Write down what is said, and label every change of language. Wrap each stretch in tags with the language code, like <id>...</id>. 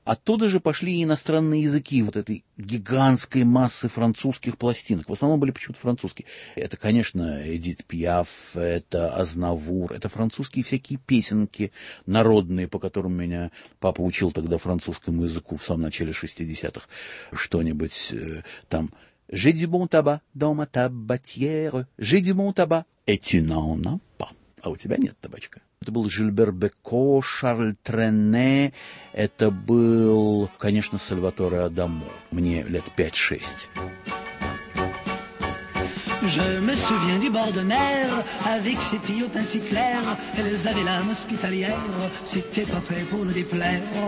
<ru>Оттуда же пошли и иностранные языки вот этой гигантской массы французских пластинок. В основном были почему-то французские. Это, конечно, Эдит Пиаф, это Азнавур, это французские всякие песенки народные, по которым меня папа учил тогда французскому языку в самом начале 60-х. Что-нибудь там...</ru> <fr>«J'ai du bon tabac dans ma tabatière, j'ai du bon tabac». Et tu n'en as pas.</fr> <ru>А у тебя нет табачка. Это был Жильбер Беко, Шарль Трене, это был, конечно, Сальваторе Адамо. Мне лет 5-6.</ru> <fr>Je me souviens du bord de mer, avec ses filles ainsi claires, elles avaient l'âme hospitalière, c'était pas fait pour nous déplaire.</fr>